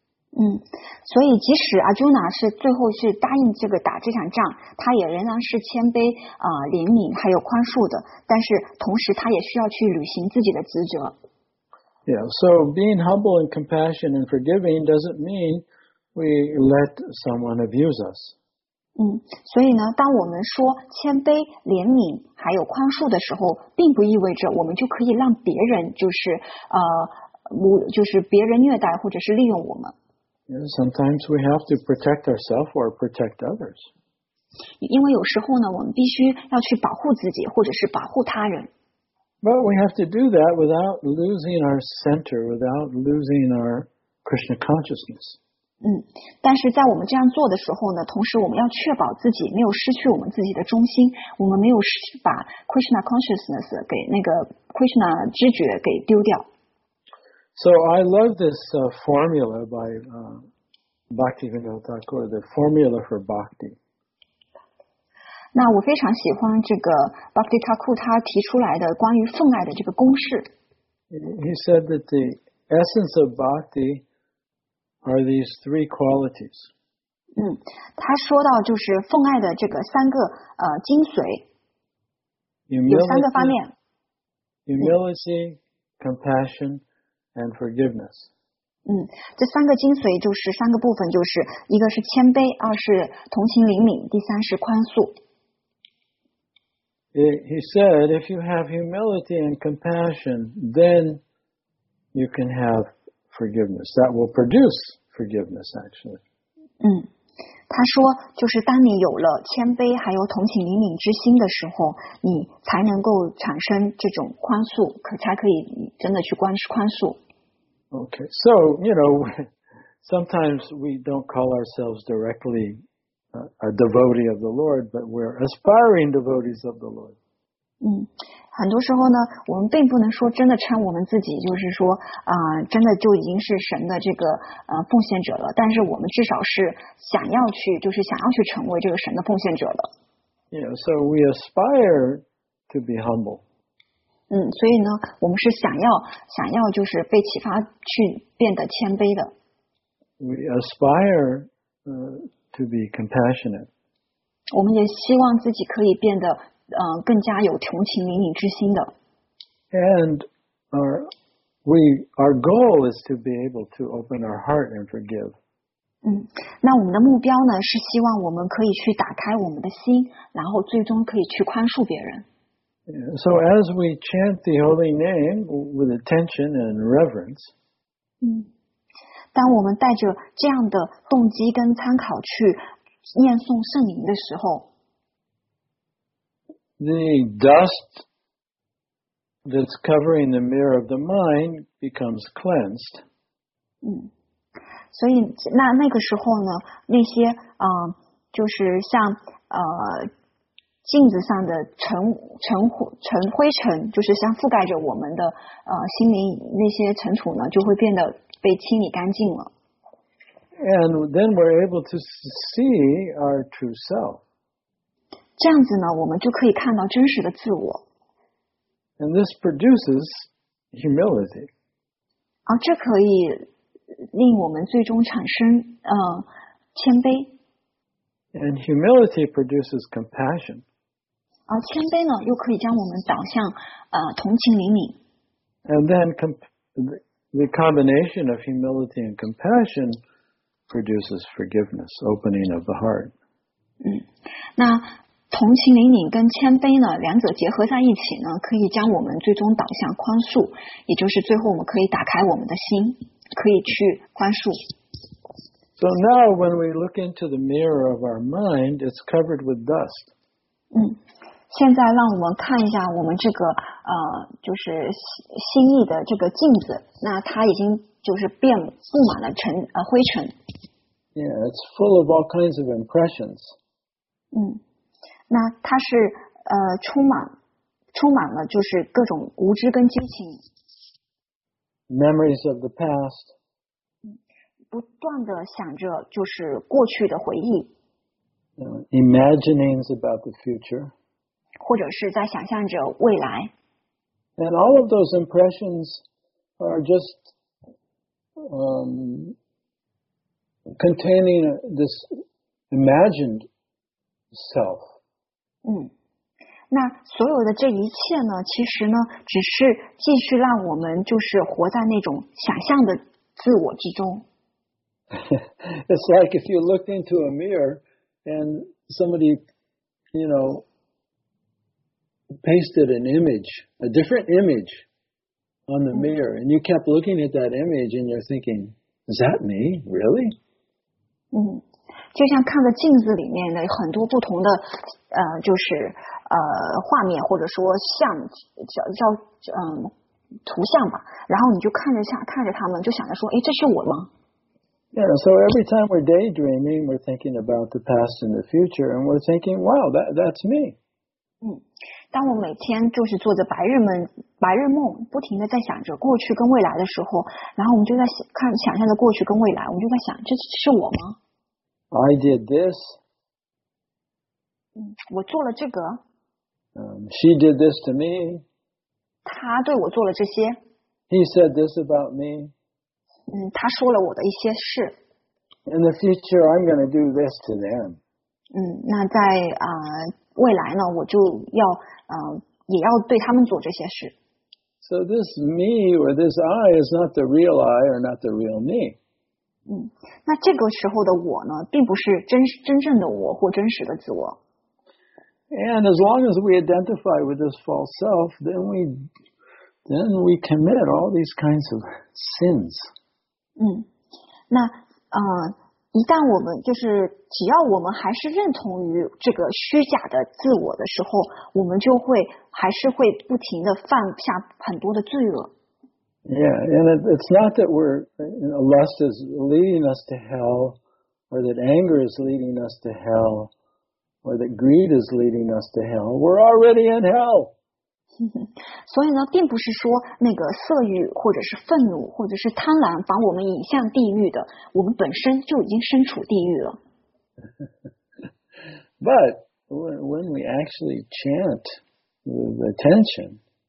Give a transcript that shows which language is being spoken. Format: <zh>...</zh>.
<zh>所以即使 Arjuna 是最后是答应这个打这场仗，他也仍然是谦卑灵敏还有宽恕的，但是同时他也需要去履行自己的职责。</zh> <en>Yeah, so being humble and compassionate and forgiving doesn't mean we let someone abuse us.</en> <zh>所以呢，当我们说谦卑、怜悯还有宽恕的时候，并不意味着我们就可以让别人就是别人虐待或者是利用我们。</zh> <en>Sometimes we have to protect ourselves or protect others.</en> <zh>因为有时候呢，我们必须要去保护自己或者是保护他人。</zh> <en>But we have to do that without losing our center, without losing our Krishna consciousness.</en> <zh>但是在我们这样做的时候呢，同时我们要确保自己没有失去我们自己的中心，我们没有把 Krishna consciousness 给那个 Krishna 知觉给丢掉。</zh> <en>So I love this formula by Bhaktivinoda Thakur, the formula for bhakti.</en> <zh>那我非常喜欢这个 Bhakti Thakur 他提出来的关于奉爱的这个公式。</zh> <en>He said that the essence of bhakti are these three qualities.</en> <zh>他说到就是奉爱的这个三个精髓。</zh> <en>Humility,</en> <zh>有三个方面。</zh> <en>Humility, compassion,and forgiveness.</en> <zh>这三个精髓就是三个部分，就是一个是谦卑，二是同情怜悯，第三是宽恕。</zh> <en>He said, if you have humility and compassion, then you can have forgiveness. That will produce forgiveness, actually.</en> <zh>他说，就是当你有了谦卑还有同情怜悯之心的时候，你才能够产生这种宽恕，才可以真的去宽恕。</zh> <en>Okay, so, you know, sometimes we don't call ourselves directly a devotee of the Lord, but we're aspiring devotees of the Lord.</en> <zh>很多时候呢，我们并不能说真的称我们自己，就是说真的就已经是神的这个奉献者了，但是我们至少是想要去，就是想要去成为这个神的奉献者了。</zh> <en>Yeah, so we aspire to be humble.</en> <zh>所以呢，我们是想要就是被启发去变得谦卑的。</zh> <en>We aspire, to be compassionate.</en> <zh>我们也希望自己可以变得更加有同情怜悯之心的。</zh> <en>And our goal is to be able to open our heart and forgive.</en> <zh>那我们的目标呢，是希望我们可以去打开我们的心，然后最终可以去宽恕别人。</zh> <en>So as we chant the holy name with attention and reverence,</en> <zh>当我们带着这样的动机跟参考去念诵圣名的时候，</zh> <en>the dust that's covering the mirror of the mind becomes cleansed.</en> <zh>所以那个时候呢，那些就是像镜子上的尘灰尘，就是像覆盖着我们的心灵那些尘土呢，就会变得被清理干净了。</zh> <en>And then we're able to see our true self.</en> <zh>这样子呢，我们就可以看到真实的自我。</zh> <en>And this produces humility.</en> <zh>这可以令我们最终产生谦卑。</zh> <en>And humility produces compassion.</en> <zh>而谦卑呢，又可以将我们导向同情怜悯。</zh> <en>And then the combination of humility and compassion produces forgiveness, opening of the heart.</en> <zh>那同情怜悯跟谦卑呢，两者结合在一起呢，可以将我们最终导向宽恕，也就是最后我们可以打开我们的心，可以去宽恕。</zh> <en>So now when we look into the mirror of our mind, it's covered with dust.</en> <zh>现在让我们看一下我们这个就是心意的这个镜子，那它已经就是变布满了灰尘。</zh> <en>Yeah, it's full of all kinds of impressions.</en> <zh>那它是充满了就是各种无知跟激情。</zh> <en>Memories of the past.</en> <zh>不断的想着就是过去的回忆。</zh> <en>Imaginings about the future.</en> <zh>或者是在想象着未来。</zh> <en>And all of those impressions are just containing this imagined self.</en> <zh>那所有的这一切呢，其实呢，只是继续让我们就是活在那种想象的自我之中。</zh> <en>It's like if you looked into a mirror and somebody, you know, pasted an image, a different image on the mirror, and you kept looking at that image and you're thinking, is that me? Really?</en> <zh>就像看着镜子里面的很多不同的就是画面或者说像叫图像吧，然后你就看着他们，就想着说，诶，这是我吗？</zh> <en>Yeah, so every time we're daydreaming, we're thinking about the past and the future, and we're thinking, wow, that's me.</en> <zh>当我每天就是做着白日梦，不停地在想着过去跟未来的时候，然后我们就在想象着过去跟未来，我们就在想，这是我吗？</zh> <en>I did this.</en> <zh>我做了这个。</zh> <en>She did this to me.</en> <zh>她对我做了这些。</zh> <en>He said this about me.</en> <zh>他说了我的一些事。</zh> <en>In the future, I'm going to do this to them.</en> <zh>那在未来呢，我就要也要对他们做这些事。</zh> <en>So this me or this I is not the real I or not the real me.</en> <zh>那这个时候的我呢，并不是真正的我或真实的自我。</zh> <en>And as long as we identify with this false self, then we commit all these kinds of sins.</en> <zh>那一旦我们就是只要我们还是认同于这个虚假的自我的时候，我们就会还是会不停的犯下很多的罪恶。</zh> <en>Yeah, and it's not that we're, you know, lust is leading us to hell, or that anger is leading us to hell, or that greed is leading us to hell. We're already in hell.</en> <zh>所以呢，并不是说那个色欲或者是愤怒或者是贪婪把我们引向地狱的，我们本身就已经身处地狱了。</zh> <en>But when we actually chant with attention,</en>